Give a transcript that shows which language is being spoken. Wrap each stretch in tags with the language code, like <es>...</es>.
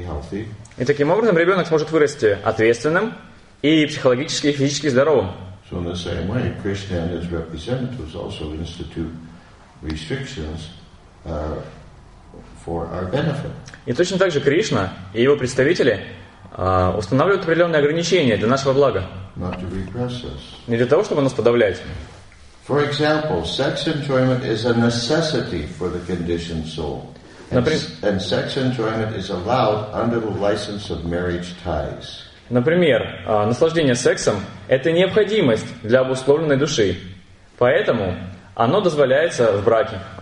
<ru>И таким образом ребенок сможет вырасти ответственным и психологически, и физически здоровым.</ru> <en>So in the same way, Krishna and his representatives also institute restrictions for our benefit.</en> <ru>И точно так же Кришна и его представители устанавливают определенные ограничения для нашего блага.</ru> <en>Not to repress us.</en> <ru>Не для того, чтобы нас подавлять.</ru> <en>For example, sex enjoyment is a necessity for the conditioned soul. And sex enjoyment is allowed under the license of marriage ties.</en> <ru>Например, наслаждение сексом – это необходимость для обусловленной души, поэтому оно дозволяется в браке.</ru>